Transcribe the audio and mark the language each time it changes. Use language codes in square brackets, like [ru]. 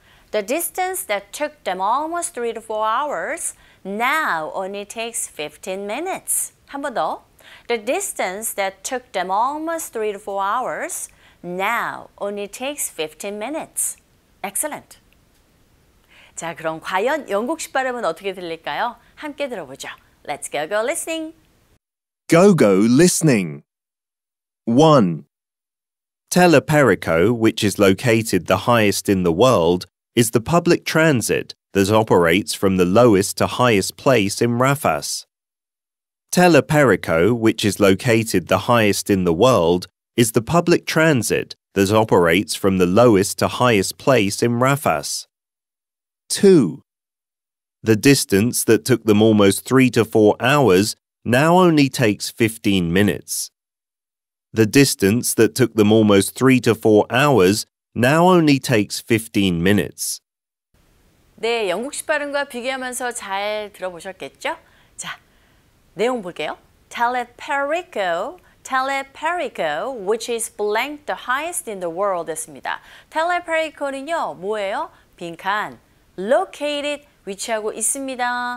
[en] The distance that took them almost 3 to 4 hours now only takes 15 minutes. [ko] 한 번 더. [en] The distance that took them almost 3 to 4 hours now only takes 15 minutes. Excellent. [ko] 자, 그럼 과연 영국식 발음은 어떻게 들릴까요? 함께 들어보죠. [en] Let's go, go listening. Go, go listening. 1. Telepérico, which is located the highest in the world, is the public transit that operates from the lowest to highest place in Rafas. Telepérico, which is located the highest in the world, is the public transit that operates from the lowest to highest place in Rafas. 2. The distance that took them almost 3 to 4 hours now only takes 15 minutes. The distance that took them almost 3 to 4 hours now only takes 15 minutes. [ko] 네, 영국식 발음과 비교하면서 잘 들어보셨겠죠? 자, 내용 볼게요. [en] Telepérico, Telepérico, which is blank the highest in the world [ko] 했습니다. Telepérico는요, 뭐예요? 빈칸. Located, 위치하고 있습니다.